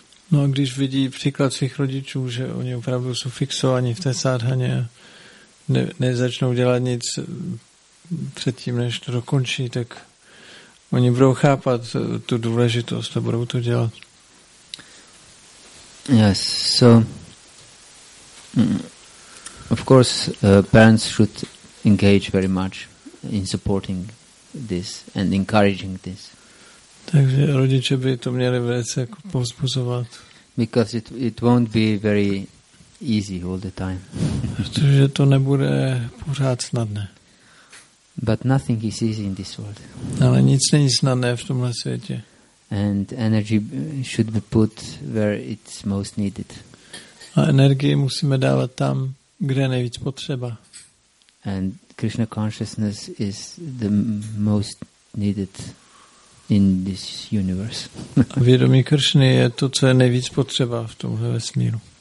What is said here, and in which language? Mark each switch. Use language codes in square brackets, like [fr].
[cs] No a když vidí příklad svých rodičů, že oni opravdu jsou fixovaní v té sádhaně a nezačnou dělat nic předtím, než to dokončí, tak oni budou chápat tu důležitost a budou to dělat. [en] Yes, so of course parents should engage very much in supporting this and encouraging this. [cs] Takže rodiče by to měli velice jako povzbuzovat. [en] Because it won't be very easy all the time. [cs] Protože to nebude pořád snadné. [en] But nothing is easy in this world. [cs] Ale nic není snadné v tomhle světě. [en] And energy should be put where it's most needed. [cs] A energii musíme dávat tam, kde je nejvíc potřeba. [en] And Krishna consciousness is the most needed in this universe. [cs] Vědomí Kršny je to, co je nejvíc potřeba v tomhle vesmíru.